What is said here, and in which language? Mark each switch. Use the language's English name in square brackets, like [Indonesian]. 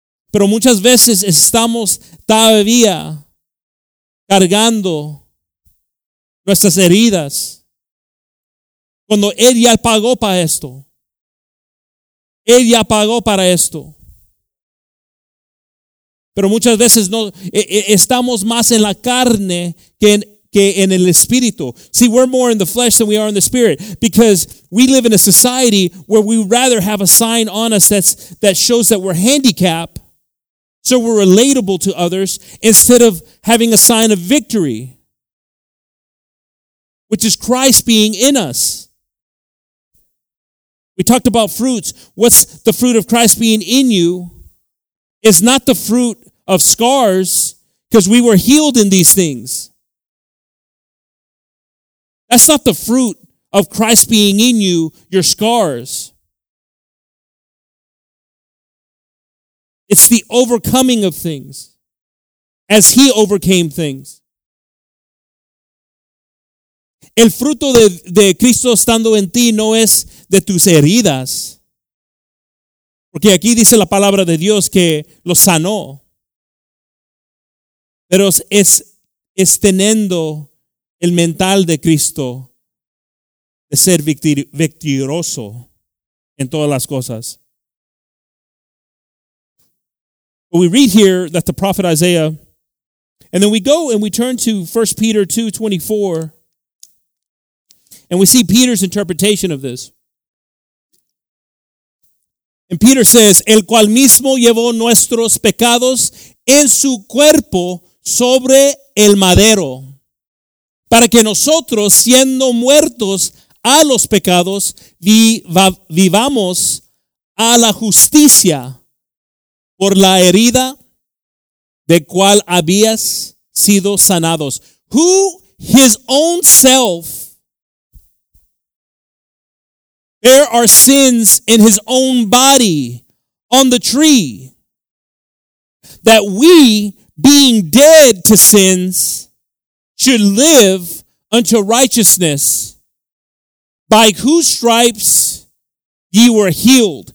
[Spanish] Pero muchas veces estamos todavía cargando nuestras heridas. Cuando Él ya pagó para esto. Él ya pagó para esto. Pero muchas veces no estamos más en la carne que en el espíritu. [English] See, we're more in the flesh than we are in the spirit because we live in a society where we rather have a sign on us that shows that we're handicapped, so we're relatable to others, instead of having a sign of victory, which is Christ being in us. We talked about fruits. What's the fruit of Christ being in you? It's not the fruit of scars, because we were healed in these things. That's not the fruit of Christ being in you, your scars. It's the overcoming of things as he overcame things. [Spanish] El fruto de Cristo estando en ti no es de tus heridas. Porque aquí dice la palabra de Dios que lo sanó. Pero es teniendo el mental de Cristo, de ser victorioso en todas las cosas. [English] But we read here that the prophet Isaiah, and then we go and we turn to 1 Peter 2:24, and we see Peter's interpretation of this. And Peter says, [Spanish] el cual mismo llevó nuestros pecados en su cuerpo sobre el madero, para que nosotros, siendo muertos a los pecados, vivamos a la justicia por la herida de cual habías sido sanados. [English] Who his own self bare our sins in his own body on the tree, that we, being dead to sins, should live unto righteousness, by whose stripes ye were healed.